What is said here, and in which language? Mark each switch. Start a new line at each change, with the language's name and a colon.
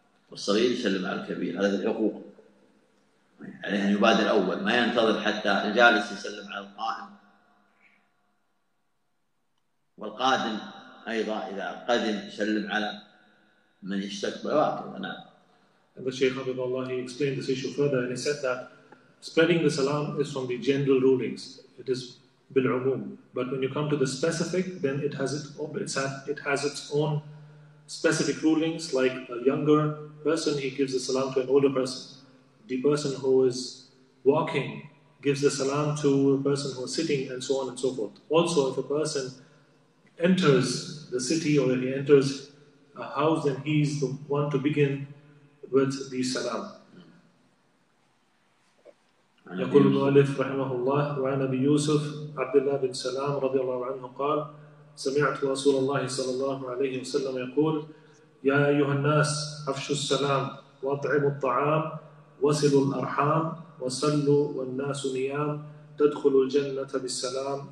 Arabic: والصغير يسلم على الكبير، هذا الحقوق عليه أن يبادر أول، ما ينتظر حتى الجالس يسلم على القائم، والقادم أيضا إذا قدم يسلم على من يشتك بواكب.
English: And the Shaykh Hafidhullah, he explained this issue further and he said that spreading the salam is from the general rulings, it is بالعموم, but when you come to the specific then it has its own specific rulings. Like a younger person, he gives the salam to an older person. The person who is walking gives the salam to a person who is sitting, and so on and so forth. Also, if a person enters the city or if he enters a house, then he is the one to begin with the salam.
Arabic: يقول المؤلف رحمه الله وعن أبي يوسف عبد الله بن سلام رضي الله عنه قال سمعت رسول الله صلى الله عليه وسلم يقول يا أيها الناس أفشوا السلام وأطعموا الطعام وصلوا الأرحام وصلوا والناس نيام تدخلوا الجنة بالسلام.